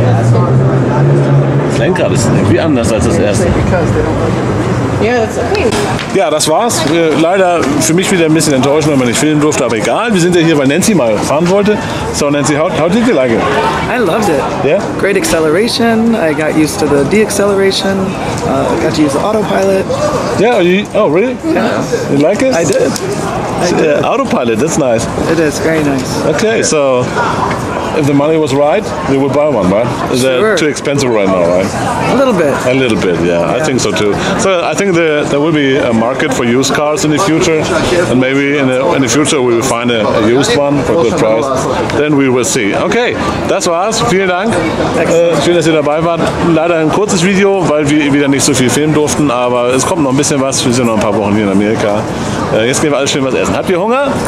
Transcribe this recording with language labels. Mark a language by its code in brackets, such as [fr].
[de] Das Lenkrad ist irgendwie anders als das erste. Ja, das war's. Leider für mich wieder ein bisschen enttäuschend, wenn man nicht filmen durfte, aber egal. Wir sind ja hier, weil Nancy mal fahren wollte. [en] So, Nancy, how did you like it? I loved it. Yeah? Great acceleration. I got used to the deacceleration. Got to use the autopilot. Yeah, really? Yeah. You like it? I did. Autopilot, that's nice. It is, very nice. Okay, so if the money was right, you would buy one, right? Is sure. That too expensive right now, right? A little bit. A little bit, yeah. I think so too. So I think there will be a market for used cars in the future, and maybe in the future we will find a used one for a good price. Then we will see. Okay, [de] das war's. Vielen Dank. Schön, dass ihr dabei wart. Leider ein kurzes Video, weil wir wieder nicht so viel filmen durften, aber es kommt noch ein bisschen was. Wir sind noch ein paar Wochen hier in Amerika. Jetzt gehen wir alle schön was essen. Habt ihr Hunger?